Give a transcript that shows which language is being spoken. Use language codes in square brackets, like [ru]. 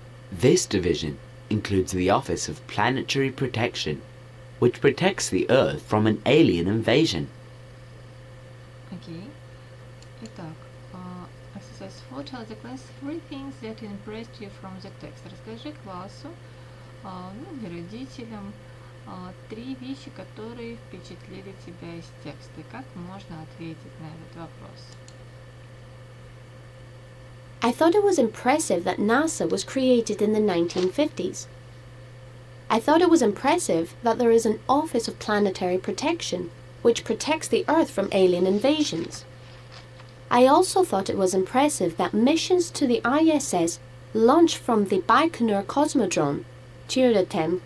[en] This division includes the Office of Planetary Protection, which protects the Earth from an alien invasion. Okay. [ru] Итак, [en] exercise 4. Tell the class three things that impressed you from the text. [ru] Расскажи классу, ну и родителям, три вещи, которые впечатлили тебя из текста. Как можно ответить на этот вопрос? [en] I thought it was impressive that NASA was created in the 1950s. I thought it was impressive that there is an Office of Planetary Protection, which protects the Earth from alien invasions. I also thought it was impressive that missions to the ISS launch from the Baikonur Cosmodrome, Tyrdatem, Kazakhstan.